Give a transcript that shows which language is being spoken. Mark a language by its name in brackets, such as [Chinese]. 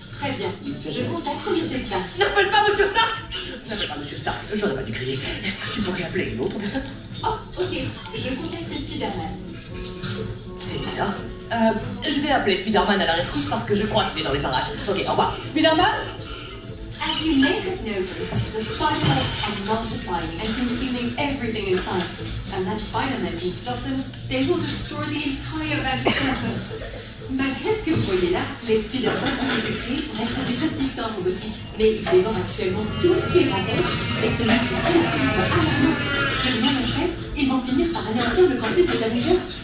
[French] Très bien. Je contacte Monsieur Stark. N'appelle pas Monsieur Stark. N'appelle pas Monsieur Stark. J'aurais pas dû crier. Est-ce que tu pourrais appeler une autre personne? Oh, ok. Je contacte Spider-Man. C'est là. Je vais appeler Spider-Man à la rescousse parce que je crois qu'il est dans les parages. Ok, au revoir. Spider-Man? [English] As you may have noticed, the spiders are multiplying and consuming everything in sight. Unless Spider-Man can stop them, they will destroy the entire Avenger campus. [French] But qu'est-ce que vous voyez là? Les spiders ont été créés pour être des assistants robotiques, mais ils dévorent actuellement tout ce qui est en tête et se mettent en équipe à la main. Seulement en fait, ils vont finir par anéantir le campus des Avengers.